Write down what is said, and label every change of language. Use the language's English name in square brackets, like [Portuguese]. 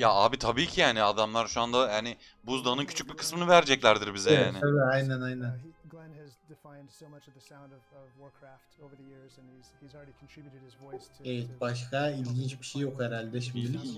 [Turkish] Ya abi tabii ki yani adamlar şu anda yani buzdağının küçük bir kısmını vereceklerdir bize yani. Evet, aynen. [English] son has defined so much of the sound of Warcraft over the years, and he's already contributed his voice to. [Turkish] Evet, başka ilginç bir şey yok herhalde şimdi.